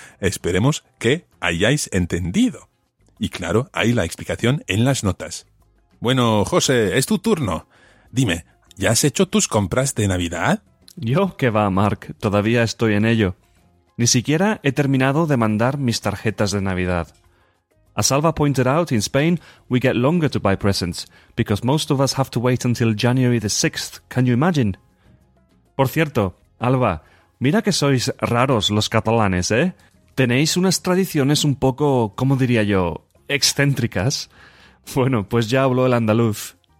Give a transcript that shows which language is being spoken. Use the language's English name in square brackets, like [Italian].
[Spanish] Esperemos que hayáis entendido. Y claro, hay la explicación en las notas. Bueno, José, es tu turno. Dime, ¿ya has hecho tus compras de Navidad? Yo, qué va, Mark, todavía estoy en ello. Ni siquiera he terminado de mandar mis tarjetas de Navidad. [English] As Alva pointed out, in Spain, we get longer to buy presents, because most of us have to wait until January the 6th, can you imagine? [Spanish] Por cierto, Alba, mira que sois raros los catalanes, ¿eh? Tenéis unas tradiciones un poco, ¿cómo diría yo?, excéntricas. Bueno, pues ya habló el andaluz.